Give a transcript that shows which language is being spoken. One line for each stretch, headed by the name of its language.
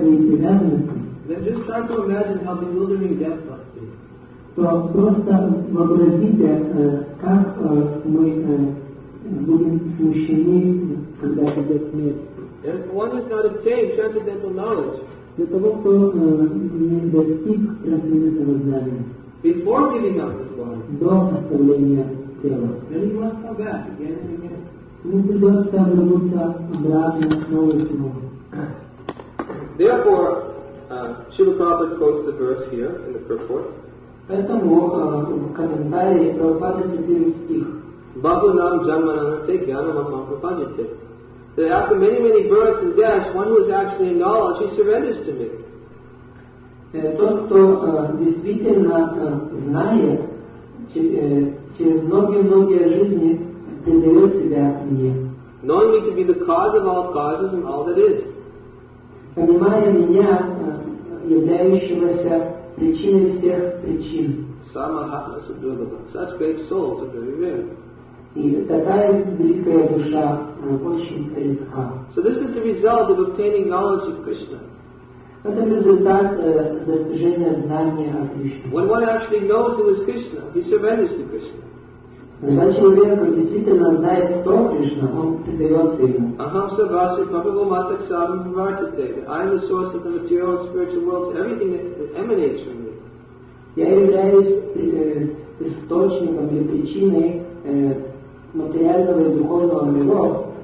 English: then just try to imagine how bewildering death must be.
Russian: So просто вообразите, как мы будем смущены, когда придет смерть.
English: If one has not obtained transcendental knowledge,
Russian: для того, чтобы не достиг трансцендентного знания.
English: Before giving up his body,
Russian: до оставления тела.
English: Then he must come back again and again.
Russian: Ему придется вернуться обратно снова и снова.
English: Therefore, Srila Prabhupada quotes the verse here in the purport.
Russian: Поэтому в комментарии Прабхупада цитирует стих. Бабу нам джанмананате гьянамам мапрапанете.
English: That after many, many births and deaths, one who is actually in knowledge, he surrenders to me.
Russian: Тот, кто действительно знает, через многие-многие жизни предает себя мне.
English: Knowing me to be the cause of all causes and all that is.
Russian: Понимая меня являющегося причиной всех причин.
English: Самахатма Судхагава. Such great souls are very rare.
Russian: И такая великая душа очень редка.
English: So this is the result of obtaining knowledge of Krishna.
Russian: Это результат достижения знания о Кришне.
English: When one actually knows who is Krishna, he surrenders to Krishna.
Russian: Когда человек действительно знает, кто Кришна, он предается ему. Aham sabhasya bhagavo matak sabham vartate.
English: I am the source of the material and spiritual worlds. Everything that emanates from me.
Russian: Я являюсь источником и причиной материального и духовного мира.